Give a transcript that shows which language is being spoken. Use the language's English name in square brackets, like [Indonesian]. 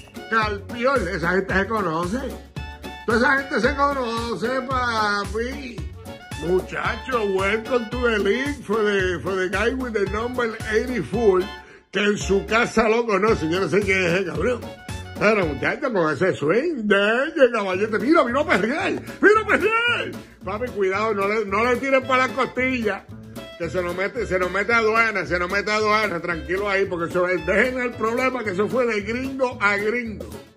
[Spanish] Calpiol, esa gente se conoce. Toda esa gente se conoce, papi. [English] Muchacho, welcome to the league for the guy with the number 84. [Spanish] Que en su casa lo conoce. Yo no sé quién es el cabrón. Pero muchachos, con ese swing de ella, caballete, vino a perrear. Papi, cuidado, no le tiren para la costilla, que se nos mete a aduana, tranquilo ahí, porque eso, dejen el problema, que eso fue de gringo a gringo.